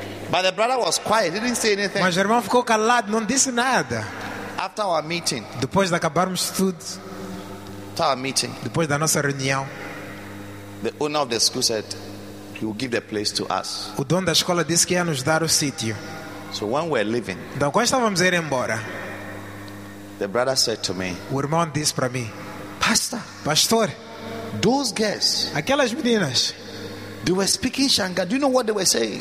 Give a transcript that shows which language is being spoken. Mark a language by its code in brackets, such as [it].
[en] But the brother was quiet. He didn't say anything. [pt] Mas o irmão ficou calado, não disse nada. [en] After our meeting. [pt] Depois de acabarmos tudo. [en] After our meeting. [pt] Depois da nossa reunião. [en] The owner of the school said, "He will give the place to us." [pt] O dono da escola disse que ia nos dar o sítio. [en] So when we're leaving. [pt] Então quando estávamos a ir embora. [en] The brother said to me. [pt] O irmão disse para mim. [en] Pastor, [pt] pastor, [en] those girls, [pt] aquelas meninas, [en] they were speaking Shanga. Do you know what they were saying?